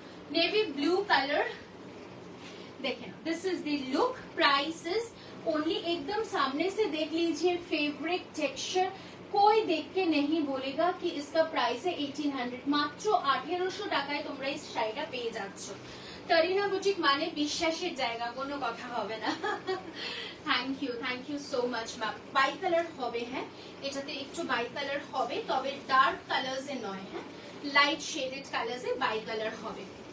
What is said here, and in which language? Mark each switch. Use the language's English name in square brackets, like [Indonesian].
[English] Navy blue color. [Hindi] देखें, [English] this is the look. Prices only [Hindi] एकदम सामने से देख लीजिए [English] fabric texture. [Hindi] कोई देख के नहीं बोलेगा कि इसका प्राइस है 1800 मात्र 1800 [Bangla] টাকায় তোমরা এই শাড়িটা পেয়ে যাচ্ছ তরিনা বুটিক মানে বিশ্বাসের জায়গা কোনো কথা হবে না thank you so much ma'am bye colour হবে হ্যাঁ এটাতে একটু বাই কালার হবে তবে ডার্ক কালার্স এ নয় হ্যাঁ light shaded colours A by colour হবে